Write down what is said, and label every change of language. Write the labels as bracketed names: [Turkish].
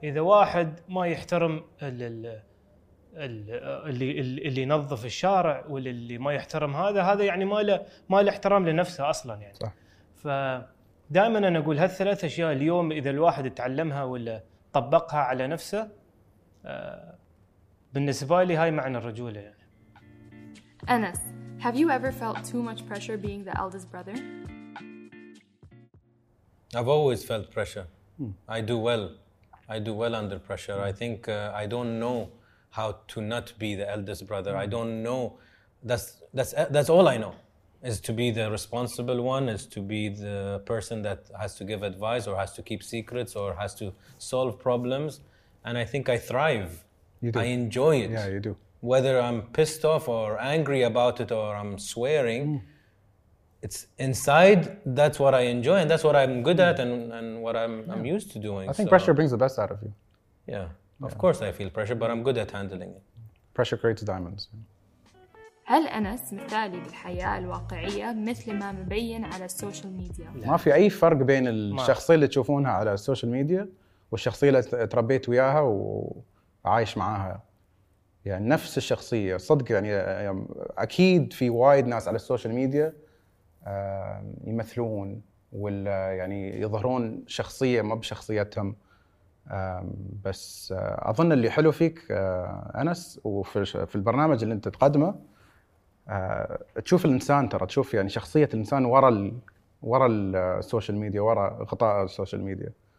[Arabic] إذا واحد ما يحترم اللي ينظف الشارع واللي ما يحترم هذا يعني ما له احترام لنفسه أصلا يعني. صح. فدائما أنا أقول هالثلاث أشياء اليوم إذا الواحد تعلمها ولا طبقها على نفسه بالنسبة لي هاي معنى الرجولة. [English] Anas, have you ever felt too much pressure being the eldest brother? I've always felt pressure. I do well under pressure. I think I don't know how to not be the eldest brother. I don't know. That's all I know, is to be the responsible one, is to be the person that has to give advice or has to keep secrets or has to solve problems. And I think I thrive. You do. I enjoy it. Yeah, you do. Whether I'm pissed off or angry about it or I'm swearing, it's inside, that's what I enjoy and that's what I'm good at and what I'm used to doing. I think so. Pressure brings the best out of you. Yeah, of course I feel pressure, but I'm good at handling it. Pressure creates diamonds. [Arabic] هل أنس مثالي بالحياة الواقعية مثل ما مبين على السوشيال ميديا؟ ما في أي فرق بين الشخصية اللي تشوفونها على السوشيال ميديا والشخصية اللي تربيت وياها وعايش معاها. يعني نفس الشخصية، صدق يعني أكيد في وايد ناس على السوشيال ميديا يمثلون ولا يعني يظهرون شخصية ما بشخصيتهم، بس أظن اللي حلو فيك أنس وفي البرنامج اللي أنت تقدمه تشوف الإنسان، ترى تشوف يعني شخصية الإنسان وراء السوشيال ميديا، وراء غطاء السوشيال ميديا.